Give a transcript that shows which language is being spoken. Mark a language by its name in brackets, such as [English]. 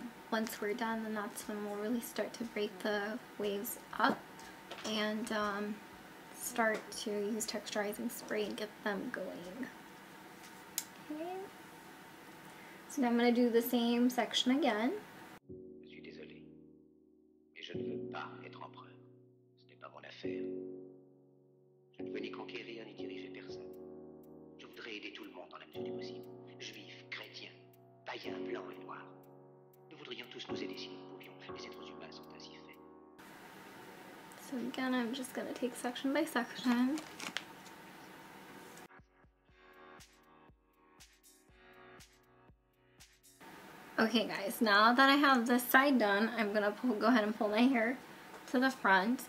[English] Once we're done, then that's when we'll really start to break the waves up and start to use texturizing spray and get them going. Okay. So now I'm going to do the same section again. [French] Je suis désolée, mais je ne veux pas être empereur. Ce n'est pas mon affaire. Je ne veux ni conquérir ni diriger personne. Je voudrais aider tout le monde dans la mesure du possible. Juifs, chrétiens, païens, blancs et noirs. Nous voudrions tous nous aider si nous pouvions. Les êtres humains sont ainsi faits. [English] So again, I'm just gonna take section by section. Okay guys, now that I have this side done, I'm gonna go ahead and pull my hair to the front.